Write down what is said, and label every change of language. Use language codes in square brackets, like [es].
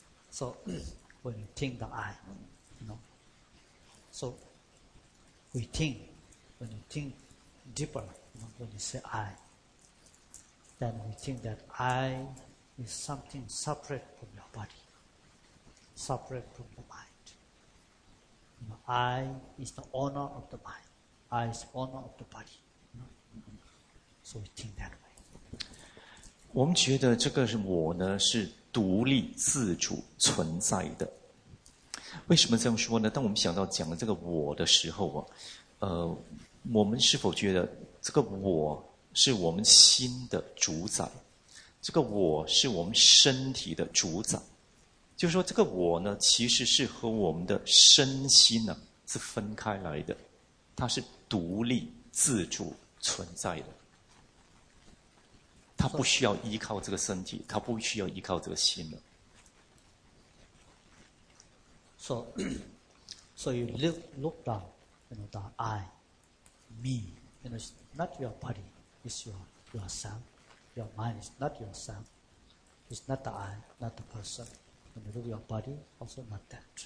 [en] So when you think the I, you know, so we think, when you think deeper, you know, when you say I, then we think that I is something separate from your body, separate from the mind. You know, I is the owner of the mind, I is the owner of the body, you know? So we think that way. [zh] 我们觉得这个是我呢是独立自主存在的。为什么这样说呢？当我们想到讲的这个我的时候啊，我们是否觉得这个我是我们心的主宰，这个我是我们身体的主宰，就是说这个我呢其实是和我们的身心呢是分开来的，它是独立自主存在的，他不需要依靠这个身体，他不需要依靠这个心了。 [en] So you look down, you know, the I, me, you know, it's not your body, it's yourself. Your mind is not yourself. It's not the I, not the person. When you look at your body, also not that.